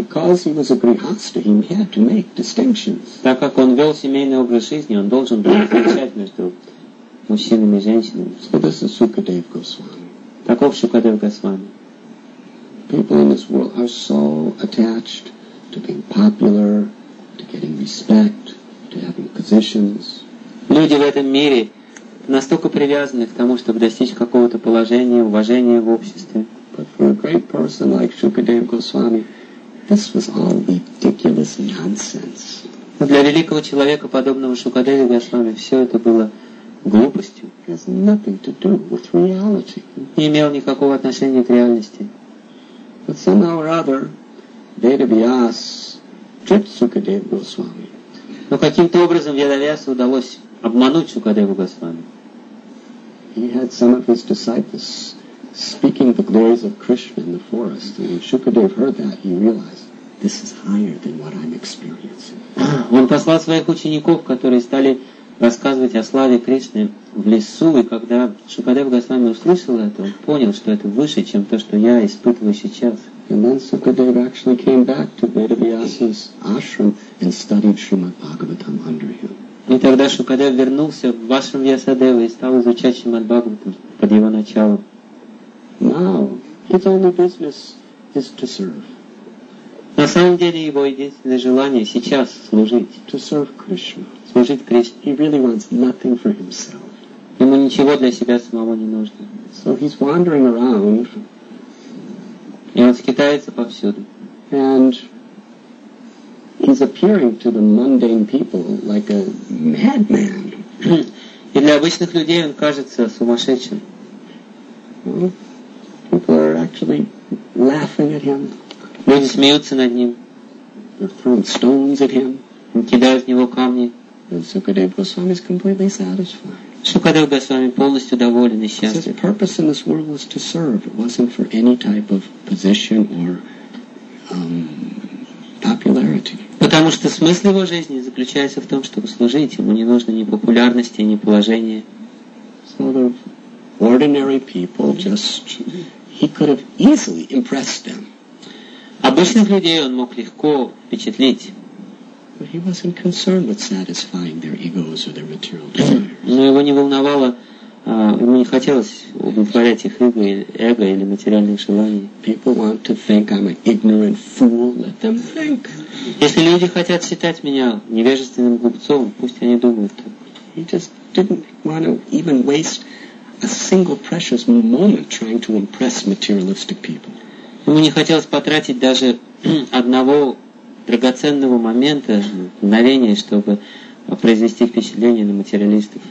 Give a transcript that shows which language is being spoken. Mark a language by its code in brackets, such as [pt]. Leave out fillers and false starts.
[en] Because he was a grihastha, he had to make distinctions. [ru] Так как он вел семейный образ жизни, он должен был различать между мужчинами и женщинами. [en] So this is Sukadeva Goswami. [ru] Таков Шукадев Госвами. [en] People in this world are so attached to being popular, to getting respect, to having positions. [ru] Люди в этом мире настолько привязаны к тому, чтобы достичь какого-то положения, уважения в обществе. [en] But for a great person like Shukadeva Goswami, this was all ridiculous nonsense. [ru] Для великого человека, подобного Шукадеве Госвами, все это было глупостью. [en] Has nothing to do with reality. [ru] Не имел никакого отношения к реальности. [en] But somehow or other, Veda Vyas tricked Sukadeva Goswami. [ru] Но каким-то образом Веда Вьяса удалось обмануть Сукадеву Госвами. [en] He had some of his disciples speaking the glories of Krishna in the forest, and when Sukadev heard that, he realized this is higher than what I'm experiencing. [ru] Он послал своих учеников, которые стали рассказывать о славе Кришны в лесу, и когда Шукадев Госвами услышал это, он понял, что это выше, чем то, что я испытываю сейчас. [en] And then Sukadev actually came back to Veda Vyasa's ashram and studied Srimad Bhagavatam under him. [ru] И тогда Шукадев вернулся в ашрам Вьясадевы и стал изучать Шримад Бхагаватам под его началом. [en] Now, his only business is to serve. [ru] На самом деле его единственное желание сейчас служить. [en] To serve Krishna. [ru] Служить Кришне. [en] He really wants nothing for himself. [ru] Ему ничего для себя самого не нужно. [en] So he's wandering around. [ru] И он скитается повсюду. [en] And he's appearing to the mundane people like a madman. [ru] И для обычных людей он кажется сумасшедшим. [en] People are actually laughing at him. [ru] Люди смеются над ним. [en] They're throwing stones at him. [ru] Кидают в него камни. [en] And Sukadev Goswami is completely satisfied. [ru] Sukadev Goswami полностью доволен и счастлив. [en] His purpose in this world was to serve. It wasn't for any type of position or popularity. [ru] Потому что смысл его жизни заключается в том, чтобы служить. Ему не нужно ни популярности, ни положения. [en] Sort of ordinary people, just he could have easily impressed them. [ru] Обычных людей он мог легко впечатлить. [en] But he wasn't concerned with satisfying their egos or their material desires. [ru] Но его не волновало, ему не хотелось удовлетворять их эго или материальные желания. [en] People want to think I'm an ignorant fool. Let them think. [ru] Если люди хотят считать меня невежественным глупцом, пусть они думают так. [en] He just didn't want to even waste a single precious moment trying to impress materialistic people. [ru] Ему не хотелось потратить даже одного драгоценного момента, мгновения, чтобы произвести впечатление на материалистов.